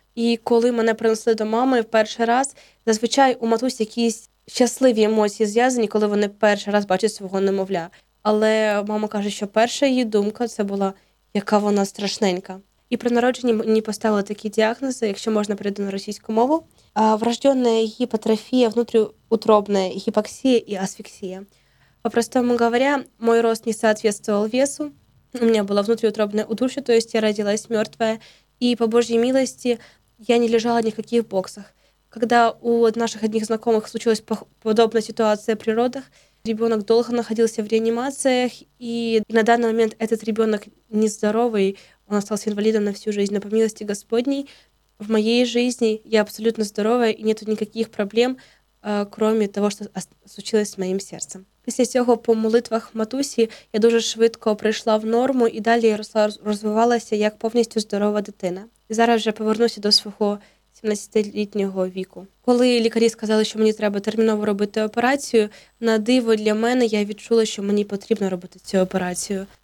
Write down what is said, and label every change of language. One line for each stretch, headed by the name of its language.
Ukrainian: І коли мене принесли до мами в перший раз, зазвичай у матусь якісь щасливі емоції зв'язані, коли вони перший раз бачать свого немовля. Але мама каже, що перша її думка – це була, яка вона страшненька. І при народженні мені поставили такі діагнози, якщо можна перейти на російську мову. Врождена гіпертрофія, внутріутробна гіпоксія і асфіксія.
Russian: По-простому говоря, мой рост не соответствовал весу.
Ukrainian: У мене була внутріутробна удушя,
Russian: то есть я родилась мертвая. И по Божьей милости я не лежала ни в каких боксах. Когда у наших одних знакомых случилась подобная ситуация при родах, ребенок долго находился в реанимациях, и на данный момент этот ребенок нездоровый, он остался инвалидом на всю жизнь. Но по милости Господней, в моей жизни я абсолютно здоровая, и нет никаких проблем, кроме того, что случилось с моим сердцем.
Ukrainian: Після цього по молитвах матусі я дуже швидко прийшла в норму і далі розвивалася як повністю здорова дитина. І зараз вже повернуся до свого 17-літнього віку. Коли лікарі сказали, що мені треба терміново робити операцію, на диво для мене я відчула, що мені потрібно робити цю операцію.